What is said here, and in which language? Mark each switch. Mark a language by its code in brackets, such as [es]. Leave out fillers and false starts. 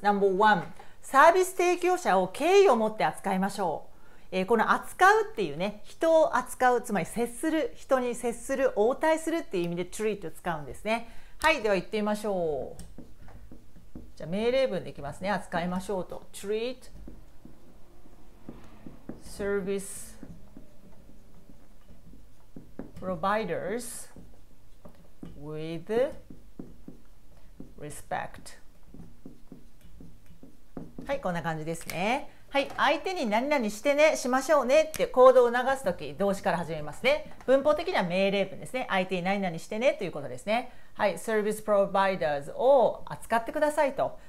[en] Number one、 [ja] サービス提供者を敬意を持って扱いましょう。この扱うっていうね、人を扱う、つまり接する、人に接する、応対するっていう意味で treat を使うんですね。はい、では言ってみましょう。じゃあ命令文でいきますね。扱いましょうと、 [en] treat service providers with respect。 [ja] はい、こんな感じですね。はい、相手に何々してね、しましょうねって行動を促すとき、動詞から始めますね。文法的には命令文ですね。相手に何々してねということですね。はい、service providers を扱ってくださいと。